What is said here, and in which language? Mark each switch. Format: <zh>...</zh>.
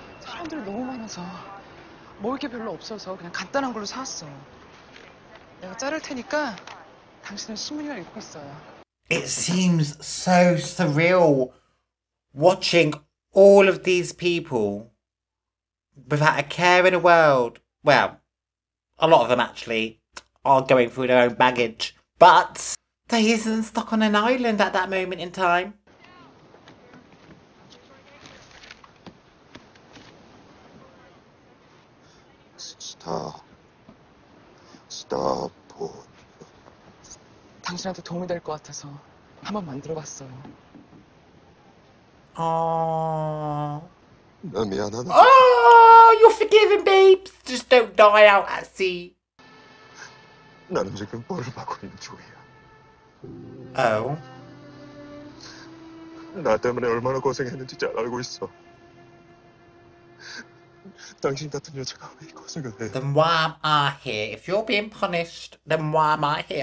<ko>사람들이 너무 많아서 먹을 게 별로 없어서 그냥 간단한 걸로 샀어. 내가 자를 테니까 당신은 신문이랑 읽고 있어요.</ko> <en>It seems so surreal watching all of these people without a care in the world. Well, a lot of them actually are going through their own baggage, but they isn't stuck on an island at that moment in time. Star. Starport.</en> <ko>당신한테 도움이 될 것 같아서 한번 만들어봤어요. 아. 나 미안하다.</ko> <en>Oh, you're forgiven, babes. Just don't die out at sea.</en> <ko>나는 지금 벌을 받고 있는 중이야. Oh. 나 때문에 얼마나 고생했는지 잘 알고 있어. 당신 같은 여자가 왜 이 고생을 해?</ko> <en>Then why am I here? If you're being punished, then why am I here?</en>